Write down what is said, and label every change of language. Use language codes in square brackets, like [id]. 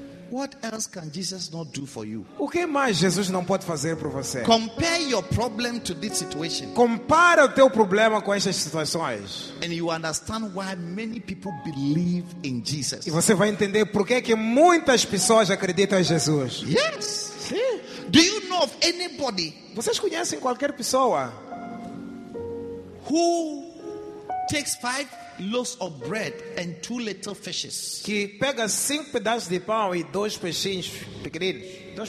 [en] What else can Jesus not do for you? [pt] O que mais Jesus não pode fazer por você? [en] Compare your problem to this situation. [pt] Compara o teu problema com essas situações. [en] And you understand why many people believe in Jesus. [pt] E você vai entender por que que muitas pessoas acreditam em Jesus. [en] Yes. [pt] Sim. [en] Do you know of anybody? [pt] Vocês conhecem qualquer pessoa [en] who takes 5 loaves of bread and 2 little fishes, [pt] que pega 5 pedaços de pão e 2 peixinhos pequeninos,